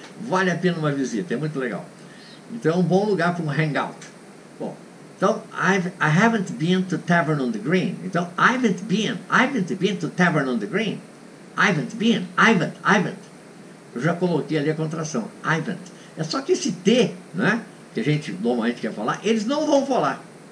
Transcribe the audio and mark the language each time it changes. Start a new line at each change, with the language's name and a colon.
Portuguese: Vale a pena uma visita, é muito legal. Então é um bom lugar para um hangout. Bom, então,
English: I haven't been to tavern on the green. Então, I haven't been to tavern on the green. I haven't.
Portuguese: Eu já coloquei ali a contração. I haven't. É só que esse T, né, que a gente normalmente quer falar, eles não vão falar.